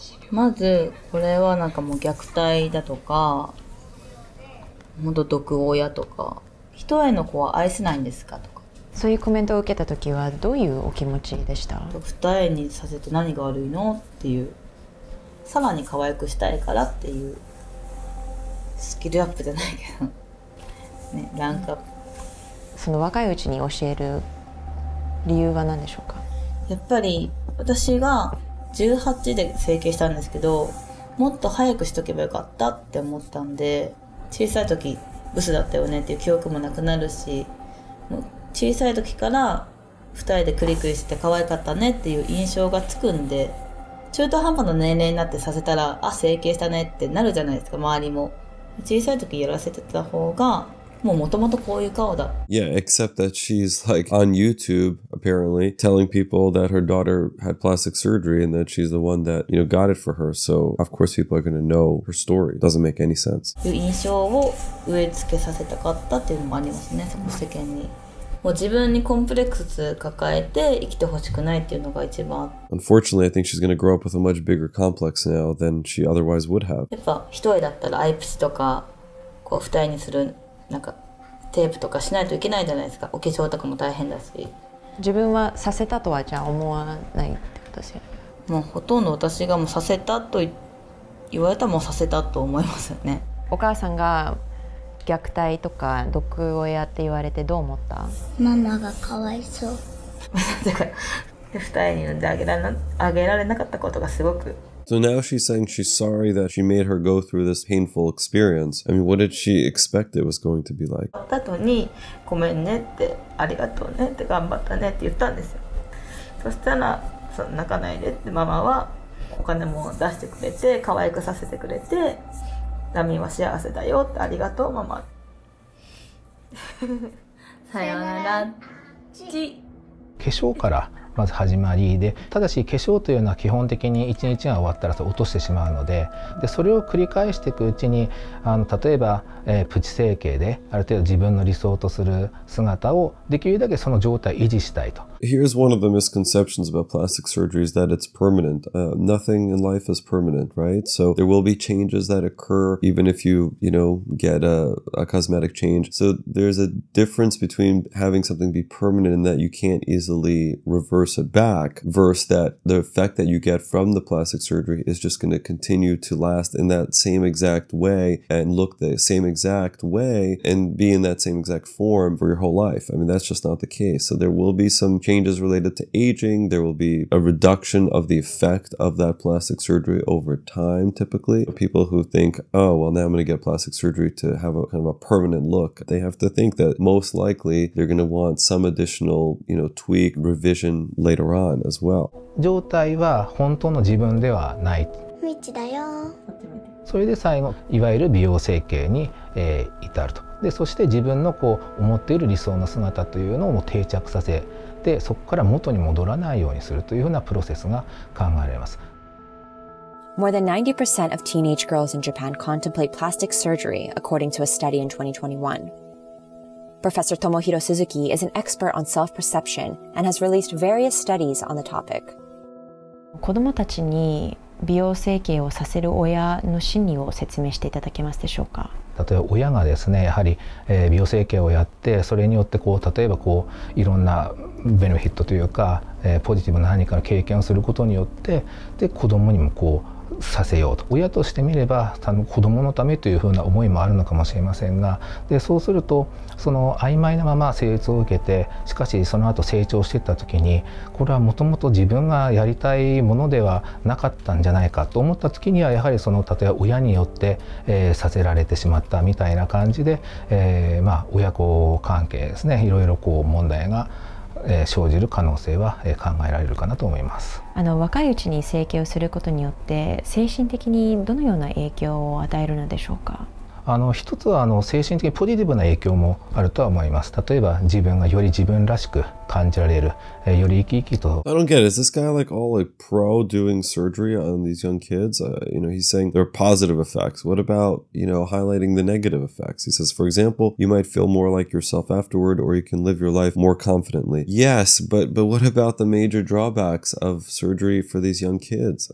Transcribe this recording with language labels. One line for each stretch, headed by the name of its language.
Japanese: まず、これはなんかもう虐待だとか、もっと毒親とか、一重の子は愛せないんですかとか。そういうコメントを受けた時はどういうお気持ちでした？二重にさせて何が悪いのっていう、さらに可愛くしたいからっていう、スキルアップじゃないけど、ね、ランクアップ。その若いうちに教える理由は何でしょうか？やっぱり私が18で整形したんですけど、もっと早くしとけばよかったって思ったんで、小さい時ブスだったよねっていう記憶もなくなるし、もう小さい時から二人でクリクリしてて可愛かったねっていう印象がつくんで、中途半端な年齢になってさせたら、あ、整形したねってなるじゃないですか、周りも。小さい時やらせてた方が、もう元々こういう顔だ。
English: Yeah, except that she's like on YouTube apparently telling people that her daughter had plastic surgery and that she's the one that, you know, got it for her. So of course people are gonna know her story. Doesn't make any sense.
Japanese: いう印象を植え付けさせたかったっていうのもありますね、その世間に。もう自分にコンプレックス抱えて生きてほしくないっていうのが一番。
English: Unfortunately, I think she's gonna grow up with a much bigger complex now than she otherwise would have.
Japanese: やっぱ一重だったらアイプチとか、こう二重にするなんかテープとかしないといけないじゃないですか。お化粧とかも大変だし。自分はさせたとはじゃあ思わないってことですよ。もうほとんど私がもうさせたと言われたらもうさせたと思いますよね。お母さんが虐待とか毒親って言われてどう思った？ママがかわいそう。だから二重に産んであげられなかったことがすごく。
English: So now she's saying she's sorry that she made her go through this painful experience. I mean, what did she expect it was going to be like?
Japanese: 後にごめんねってありがとうねって頑張ったねって言ったんですよ。そしたら泣かないでってママはお金も出してくれて可愛くさせてくれて。ダミーは幸せだよってありがとうママさよならち化粧からまず始まりで、ただし化粧というのは基本的に1日が終わったら落としてしまうの でそれを繰り返していくうちに例えば、プチ整形である程度自分の理想とする姿をできるだけその状態維持したいと。
English: Here's one of the misconceptions about plastic surgery is that it's permanent. Nothing in life is permanent, right? So there will be changes that occur even if you, you know, get a cosmetic change. So there's a difference between having something be permanent and that you can't easily reverse it back versus that the effect that you get from the plastic surgery is just going to continue to last in that same exact way and look the same exact way and be in that same exact form for your whole life. I mean, that's just not the case. So there will be some changes related to aging. There will be a reduction of the effect of that plastic surgery over time, typically. People who think, oh, well, now I'm going to get plastic surgery to have a kind of a permanent look, they have to think that most likely they're going to want some additional, you know, tweak, revision later on as well.
Japanese: 状態は本当の自分ではない。未知だよ。それで最後、いわゆる美容整形に、至ると。で、そして自分のこう思っている理想の姿というのをもう定着させ、で、そこから元に戻らないようにするというようなプロセスが考えられます。
English: More than 90% of teenage girls in Japan contemplate plastic surgery, according to a study in 2021. Professor Tomohiro Suzuki is an expert on self-perception and has released various studies on the topic.
Japanese: 子供たちに美容整形をさせる親の心理を説明していただけますでしょうか。例えば親がですね、やはり美容整形をやって、それによってこう例えばこういろんなベネフィットというか、ポジティブな何かの経験をすることによって、で子供にもこうさせようと、親としてみれば多分子供のためというふうな思いもあるのかもしれませんが、でそうするとその曖昧なまま施術を受けて、しかしその後成長していった時に、これはもともと自分がやりたいものではなかったんじゃないかと思った時には、やはりその例えば親によって、させられてしまったみたいな感じで、まあ親子関係ですね、いろいろこう問題が生じる可能性は考えられるかなと思います。若いうちに整形をすることによって精神的にどのような影響を与えるのでしょうか。一つは精神的にポジティブな影響もあるとは思います。例えば自分がより自分らしく感じられる、より生き生きと。
English: I don't get it. Is this guy like all like pro doing surgery on these young kids? You know, he's saying there are positive effects. What about, you know, highlighting the negative effects? He says, for example, you might feel more like yourself afterward, or you can live your life more confidently. Yes, but what about the major drawbacks of surgery for these young kids?